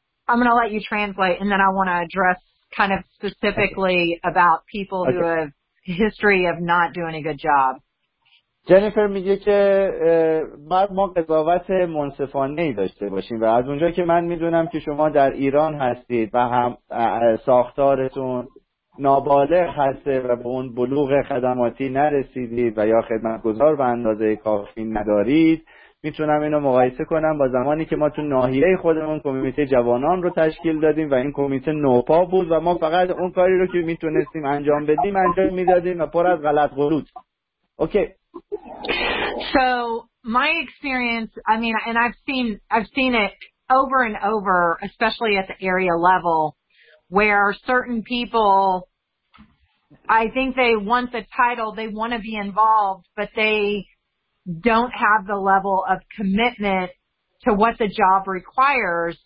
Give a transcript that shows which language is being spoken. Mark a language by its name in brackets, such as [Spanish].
[English] I'm going to let you translate, and then I want to address kind of specifically about people who have history of not doing a good job. [Persian] جنیفر میگه که بعد ما قضاوت منصفانه ای داشته باشیم و از اونجا که من میدونم که شما در ایران هستید و هم ساختارتون نابالغ هسته و به اون بلوغ خدماتی نرسیدید و یا خدمتگزار به اندازه کافی ندارید، میتونم اینو مقایسه کنم با زمانی که ما تو ناحیه خودمون کمیته جوانان رو تشکیل دادیم و این کمیته نوپا بود و ما فقط اون کاری رو که میتونستیم انجام بدیم انجام میدادیم و پر از غلط غلوت. اوکی. [English] So my experience, I mean, and I've seen it over and over, especially at the area level, where certain people, I think they want the title, they want to be involved, but they don't have the level of commitment to what the job requires.